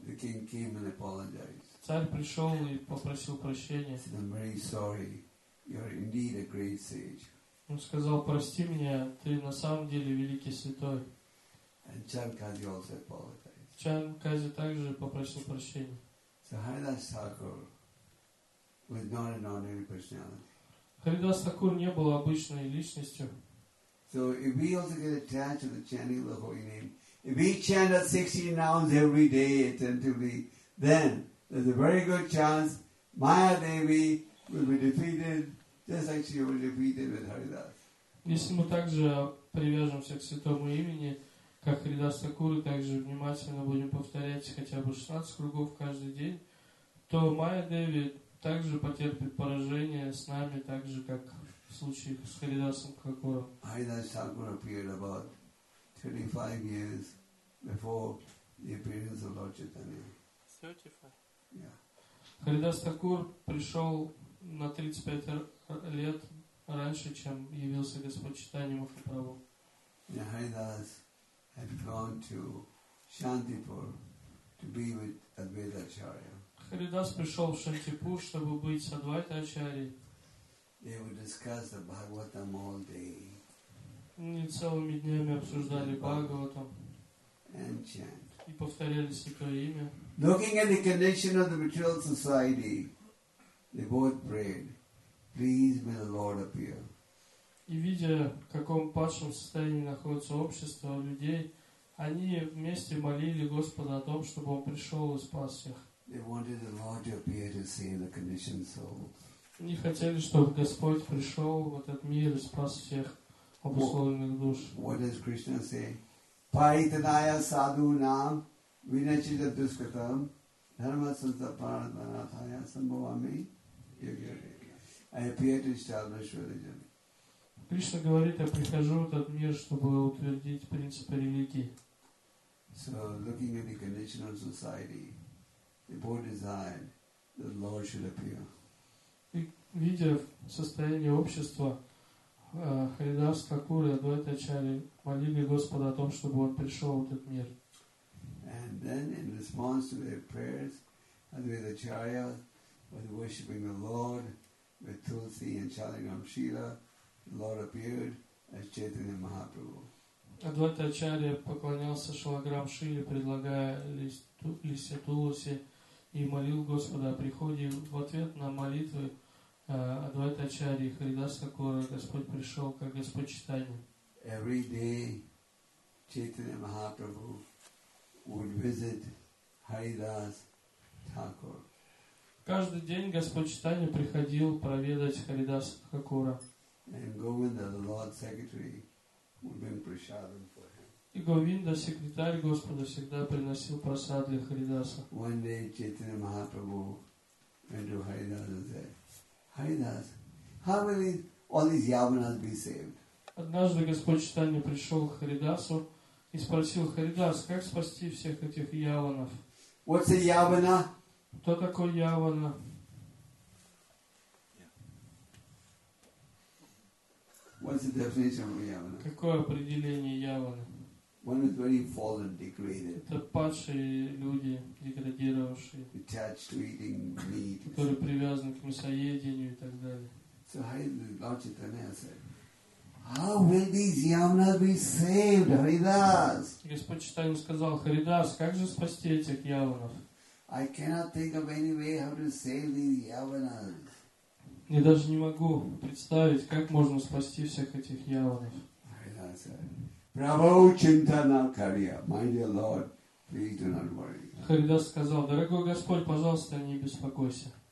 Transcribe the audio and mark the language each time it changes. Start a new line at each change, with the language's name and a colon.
English: The king came and apologized.
Russian: Царь пришел и попросил прощения.
English: Said, "I'm very sorry. You're indeed a great sage."
Russian: Он сказал: прости меня, ты на самом деле великий святой.
English: And Chankazi also apologized.
Russian: Чанткази также попросил прощения.
English: So Haridas Thakur was not an ordinary personality.
Russian: Харидас Такур не был обычной личностью.
English: So if we also get attached to the chanting of the holy name, if we chant at 16 nouns every day attentively, then there's a very good chance Maya Devi will be defeated, just like she was defeated with Haridas.
Russian: Если мы также привяжемся к святому имени, как Харидас Такур, и также внимательно будем повторять хотя бы 16 кругов каждый день, то Maya Devi также потерпит поражение с нами, так же, как в случае с Харидасом Какуром.
English: Haridas Thakur appeared about 35 years before the appearance of Lord Chaitanya. 35? Yeah.
Russian: Харидас Такур пришел на 35 лет раньше, чем явился Господь Чайтанья Махапрабху.
English: Yeah, Haridas had gone to Shantipur to be with Advaita Acharya.
Russian: Харидас пришел в Шантипур, чтобы быть с Адвайта Ачарьей.
English: They would discuss the Bhagavatam all day.
Russian: Они целыми днями обсуждали Бхагаватам.
English: And chant.
Russian: И повторяли святое имя.
English: Looking at the condition of the material society, they both prayed, "Please, may the Lord appear."
Russian: И видя, в каком падшем состоянии находится общество людей, они вместе молили Господа о том, чтобы Он пришел и спас их.
English: They wanted the Lord to appear to save the condition souls.
Russian: Они хотели, чтобы Господь пришел в этот мир и спас всех обусловленных душ.
English: What does Krishna say?
Sanskrit: Paitanaya sadhu nam vinachita duskatam dharma santa paranathaya sambhavami yogyogya.
English: I appear to establish religion.
Russian: Кришна говорит, я прихожу в этот мир, чтобы утвердить принципы религии.
English: So, looking at the condition of society, they both desired that the Lord should appear.
Russian: И, видя состояние общества, Харидас Такура и Адвайта Ачарьи молили Господа о том, чтобы Он пришел в этот мир.
English: And then, in response to their prayers, Advaita Acharya was worshipping the Lord with Tulsi and Shaligram Shila. Lord appeared as Chaitanya Mahaprabhu.
Russian: Адвайта Ачарья поклонялся Шалаграм Шиле, предлагая листья Тулуси, и молил Господа о приходе. В ответ на молитвы Адвайта Ачарьи и Харидас Такура Господь пришел, как Господь Читания.
English: Every day Chaitanya Mahaprabhu would visit Haridas Thakur.
Russian: Каждый день Господь Читания приходил проведать Харидас Такура.
English: And Govinda, the Lord's secretary, would bring prasadam for him.
Russian: И Говинда, секретарь Господа, всегда приносил прасад для Харидаса.
English: One day, Chaitanya Mahaprabhu went to Haridas and said, "Haridas, how will all these yavanas be saved?"
Russian: Однажды Господь Читания пришел к Харидасу и спросил: "Харидас, как спасти всех этих яванов?"
English: What's a yavana?
Russian: Кто такой явана?
English: What's the definition of yavana?
Russian: Какое определение явана?
English: One is very fallen, degraded.
Russian: Это падшие люди, деградировавшие.
English: Attached to eating meat.
Russian: Которые привязаны к мясоедению и так далее.
English: So Lord Chaitanya said, "How will these yavanas be saved, Haridas?"
Russian: Господь Читания сказал: "Харидас, как же спасти этих яванов?"
English: I cannot think of any way how to save these yavanas.
Russian: Я даже не могу представить, как можно спасти всех этих яванов. Харидас сказал: "Дорогой Господь, пожалуйста, не беспокойся."